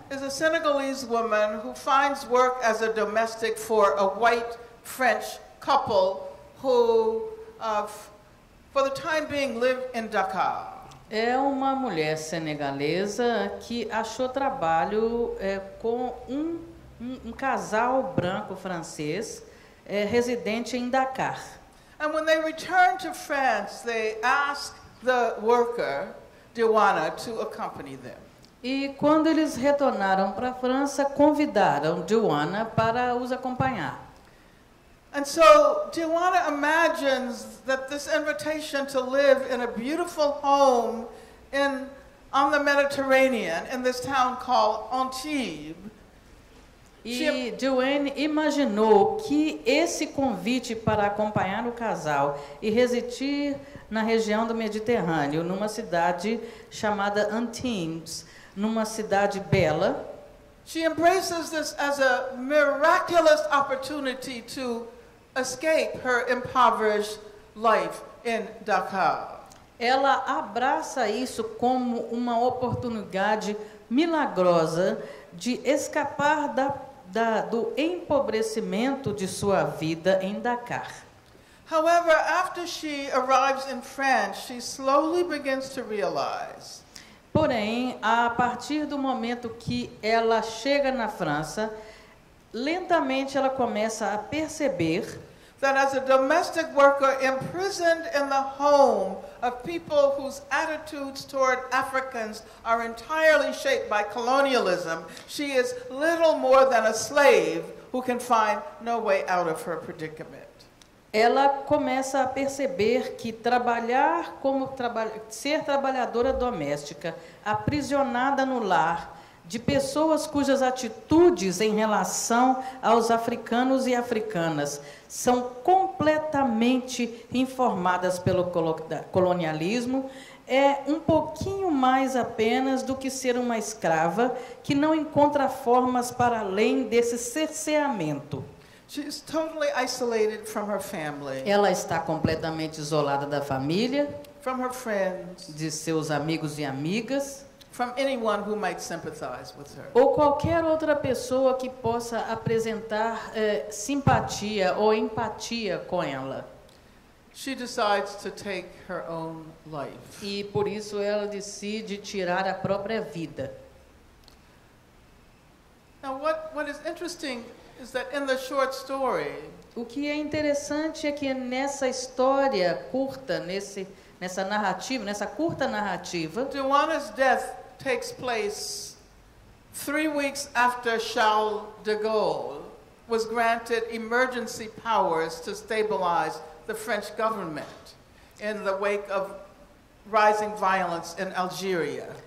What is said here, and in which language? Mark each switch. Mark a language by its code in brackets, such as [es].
[en] Is a Senegalese woman who finds work as a domestic for a white French couple who, for the time being, live in Dakar. [pt] É uma mulher senegalesa que achou trabalho com um casal branco francês residente em Dakar. [en] And when they return to France, they ask the worker, Diwana, to accompany them. [pt] E quando eles retornaram para a França, convidaram Diwana para os acompanhar. [en] And so Diwana imagines that this invitation to live in a beautiful home on the Mediterranean, in this town called Antibes. [pt] Diwana imaginou que esse convite para acompanhar o casal e residir na região do Mediterrâneo, numa cidade chamada Antibes, numa cidade bela. [en] She embraces this as a miraculous opportunity to escape her impoverished life in Dakar. [pt] Ela abraça isso como uma oportunidade milagrosa de escapar do empobrecimento de sua vida em Dakar. [en] However, after she arrives in France, she slowly begins to realize. [pt] Porém, a partir do momento que ela chega na França, lentamente ela começa a perceber [en] that as a domestic worker imprisoned in the home of people whose attitudes toward Africans are entirely shaped by colonialism, she is little more than a slave who can find no way out of her predicament. [pt] Ela começa a perceber que trabalhar como ser trabalhadora doméstica, aprisionada no lar, de pessoas cujas atitudes em relação aos africanos e africanas são completamente informadas pelo colonialismo, é um pouquinho mais apenas do que ser uma escrava que não encontra formas para além desse cerceamento. [en] She is totally isolated from her family. [pt] Ela está completamente isolada da família, [en] from her friends, [pt] de seus amigos e amigas, [en] from anyone who might sympathize with her. [pt] Ou qualquer outra pessoa que possa apresentar simpatia ou empatia com ela. [en] She decides to take her own life. [pt] E por isso ela decide tirar a própria vida. [en] Now what is interesting is that in the short story, [pt] o que é interessante é que nessa história curta, nessa curta narrativa, [en] Duana's death takes place 3 weeks after Charles de Gaulle was granted emergency powers to stabilize the French government in the wake of rising violence in Algeria.